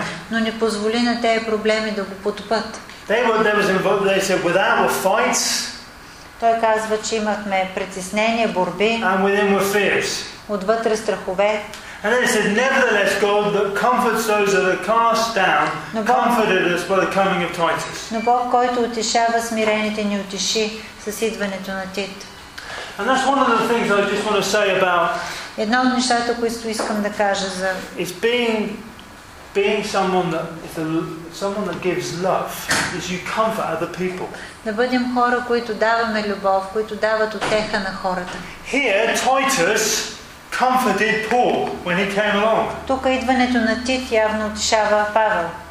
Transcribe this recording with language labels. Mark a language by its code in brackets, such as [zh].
[bg] Но не позволи на тези проблеми да го потопят. [en] They said without were fights. [bg] Той казва, че имахме притеснения, борби. [en] And within were fears. [bg] Отвътре страхове. [en] And then it said, nevertheless, God that comforts those that are cast down, comforted us by the coming of Titus. [bg] Но Бог, който утешава смирените, ни утеши с идването на Тит. [en] And that's one of the things I just want to say about. [bg] Едно от нещата, които искам да кажа за. [en] It's being someone that gives love is you comfort other people. [bg] Да бъдем хора, които даваме любов, които дават утеха на хората. [en] Here Titus comforted Paul when he came along. [bg] Тук идването на Тит явно утешава Павел.